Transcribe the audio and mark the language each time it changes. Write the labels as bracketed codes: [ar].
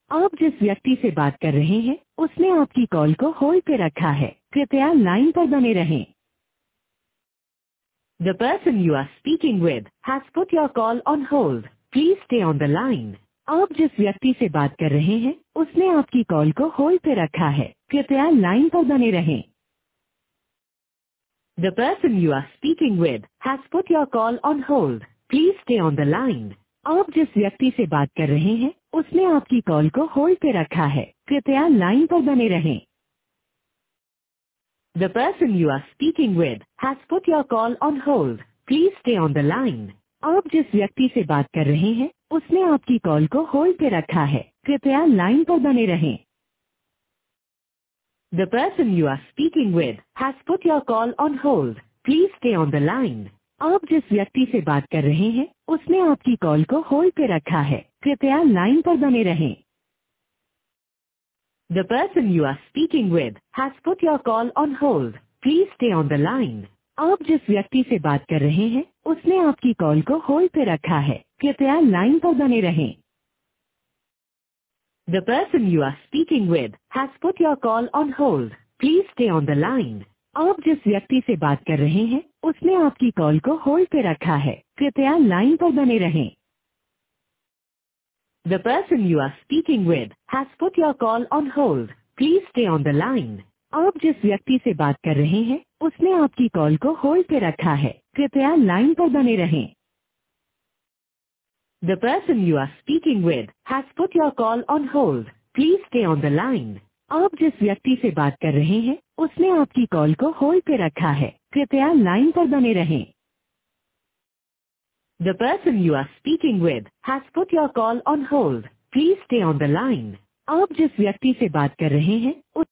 [hi] आप जिस व्यक्ति से बात कर रहे हैं उसने आपकी कॉल को होल्ड पे रखा है, कृपया लाइन पर बने रहें। [en] The person you are speaking with has put your call on hold, please stay on the line. [hi] आप जिस व्यक्ति से बात कर रहे हैं उसने आपकी कॉल को होल्ड पे रखा है, कृपया लाइन पर बने रहें। [en] The person you are speaking with has put your call on hold. Please stay on the line. [hi] आप जिस व्यक्ति से बात कर रहे हैं उसने आपकी कॉल को होल्ड पे रखा है, कृपया लाइन पर बने रहें। [en] The person you are speaking with has put your call on hold. Please stay on the line. [hi] आप जिस व्यक्ति से बात कर रहे हैं उसने आपकी कॉल को होल्ड पे रखा है, कृपया लाइन पर बने रहें। [en] The person you are speaking with has put your call on hold. Please stay on the line. [hi] आप जिस व्यक्ति से बात कर रहे हैं उसने आपकी कॉल को होल्ड पे रखा है, कृपया लाइन पर बने रहें। [en] The person you are speaking with has put your call on hold. Please stay on the line. [hi] आप जिस व्यक्ति से बात कर रहे हैं उसने आपकी कॉल को होल्ड पे रखा है, कृपया लाइन पर बने रहें। [en] The person you are speaking with has put your call on hold. Please stay on the line. [hi] आप जिस व्यक्ति से बात कर रहे हैं उसने आपकी कॉल को होल्ड पे रखा है, कृपया लाइन पर बने रहें। [en] The person you are speaking with has put your call on hold. Please stay on the line. [hi] आप जिस व्यक्ति से बात कर रहे हैं उसने आपकी कॉल को होल्ड पे रखा है, कृपया लाइन पर बने रहें। [en] The person you are speaking with has put your call on hold. Please stay on the line. [hi] आप जिस व्यक्ति से बात कर रहे हैं उसने आपकी कॉल को होल्ड पे रखा है, कृपया लाइन पर बने रहें। [en] The person you are speaking with has put your call on hold. Please stay on the line. [hi] आप जिस व्यक्ति से बात कर रहे हैं